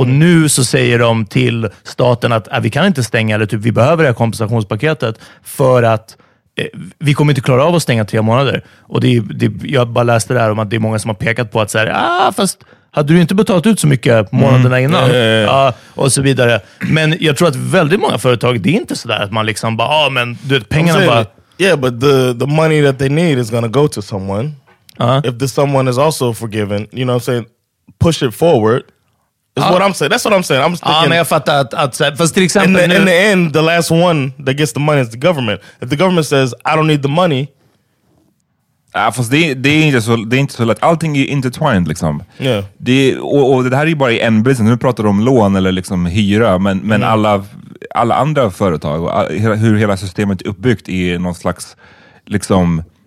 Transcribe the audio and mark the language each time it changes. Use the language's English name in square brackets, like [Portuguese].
[Swedish] Och nu så säger de till staten att vi kan inte stänga, eller typ vi behöver det här kompensationspaketet för att vi kommer inte klara av att stänga 3 månader. Och jag bara läste det här om att det är många som har pekat på att så här, fast hade du inte betalat ut så mycket månaderna innan? Ja, och så vidare. Men jag tror att väldigt många företag, det är inte så där att man liksom bara, men du vet, pengarna bara... [English] Yeah, but the money that they need is gonna go to someone. Uh-huh. If this someone is also forgiven, you know what I'm saying, push it forward. Is what I'm saying. That's what I'm saying. I'm thinking. [Swedish] Men jag fattar att fast till exempel [English] in the end, the last one that gets the money is the government. If the government says I don't need the money, [Swedish] fast det är inte så lätt. Allting är intertwined liksom. [English] Yeah. [Swedish] Och det här är ju bara en business. Nu pratar om lån eller liksom hyra, men alla andra företag och hur hela systemet är uppbyggt i någon slags liksom.